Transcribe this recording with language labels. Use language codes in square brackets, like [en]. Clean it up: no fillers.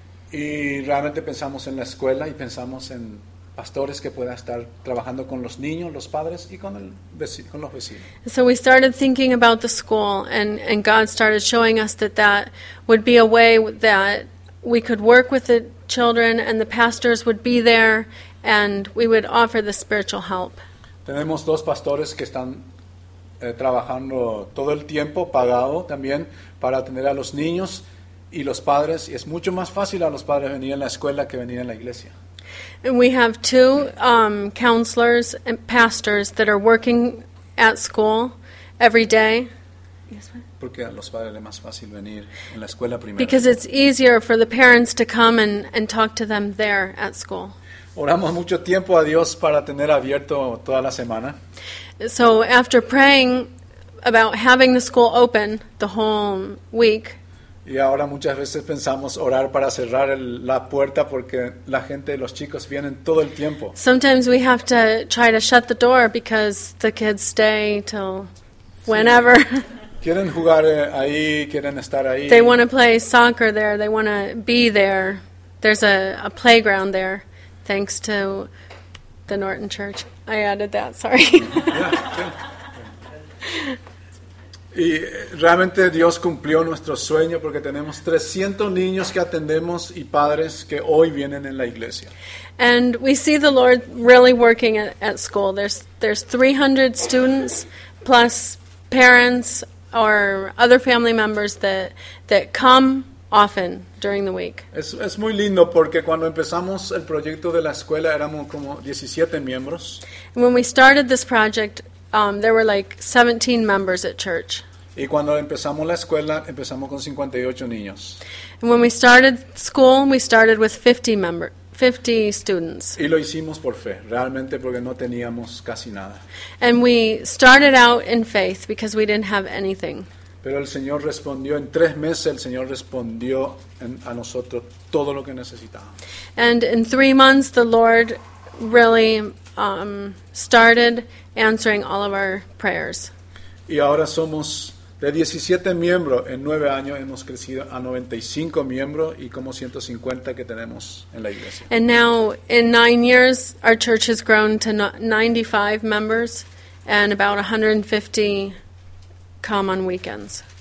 [es] Y realmente pensamos en la escuela y pensamos en pastores que puedan estar trabajando con los niños, los padres y con los vecinos. [en] So we started thinking about the school and God started showing us that would be a way that we could work with the children and the pastors would be there and we would offer the spiritual help. [es] Tenemos dos pastores que están trabajando todo el tiempo pagado también para atender a los niños y los padres, y es mucho más fácil a los padres venir en la escuela que venir en la iglesia. [en] And we have two counselors and pastors that are working at school every day. [es] Porque a los padres es más fácil venir en la escuela primero. [en] Because it's easier for the parents to come and talk to them there at school. [es] Oramos mucho tiempo a Dios para tener abierto toda la semana. [en] So after praying about having the school open the whole week. [es] Y ahora muchas veces pensamos orar para cerrar la puerta porque la gente, los chicos vienen todo el tiempo. [en] Sometimes we have to try to shut the door because the kids stay till whenever. [es] Sí. Quieren jugar ahí, quieren estar ahí. [en] They want to play soccer there, they want to be there. There's a playground there, thanks to the Norton Church. I added that, sorry. Yeah. [es] Y realmente Dios cumplió nuestro sueño porque tenemos 300 niños que atendemos y padres que hoy vienen en la iglesia. [en] And we see the Lord really working at school. There's 300 students plus parents or other family members that come often during the week. [es] Es muy lindo porque cuando empezamos el proyecto de la escuela éramos como 17 miembros. [en] And when we started this project, there were like 17 members at church. [es] Y cuando empezamos la escuela, empezamos con 58 niños. [en] And when we started school, we started with 50 students. [es] Y lo hicimos por fe, realmente porque no teníamos casi nada. [en] And we started out in faith because we didn't have anything. [es] Pero el Señor respondió en 3 meses, el Señor respondió a nosotros todo lo que necesitábamos. [en] And in 3 months, the Lord really started answering all of our prayers. [es] Y ahora somos de 17 miembros. En 9 años hemos crecido a 95 miembros y como 150 que tenemos en la iglesia. [en] And now in 9 years our church has grown to 95 members and about 150 come on weekends.